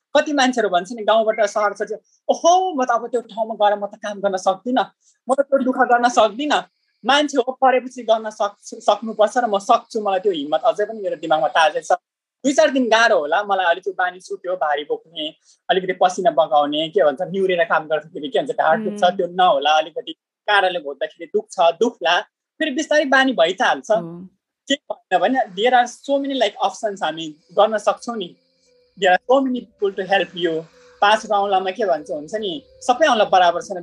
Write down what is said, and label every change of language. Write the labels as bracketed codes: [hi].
[ne] कति मान्छेहरू भन्छ नि गाउँबाट सहर छ, ओहो म त अब त्यो ठाउँमा गएर म त काम गर्न सक्दिनँ, म त त्यो दुःख गर्न सक्दिनँ, मान्छे हो परेपछि गर्न सक्छु, सक्नुपर्छ र म सक्छु. मलाई त्यो हिम्मत अझै पनि मेरो दिमागमा ताजै छ. दुई चार दिन गाह्रो होला मलाई, अलिकति बानी सुट्यो, भारी बोक्ने, अलिकति पसिना बगाउने, के भन्छ निहुरेर काम गर्दाखेरि के भन्छ ढाड दुख्छ, त्यो नहोला, अलिकति काँडाले घोट्दाखेरि दुख्छ, दुख्ला, फेरि बिस्तारै बानी भइ त हाल्छ. के भएन भने [en] there are so many like options [ne] हामी गर्न सक्छौँ नि. [en] There are so many people to help you. [ne] पाँचको औँलामा के भन्छ हुन्छ नि, सबै औँला बराबर छैन.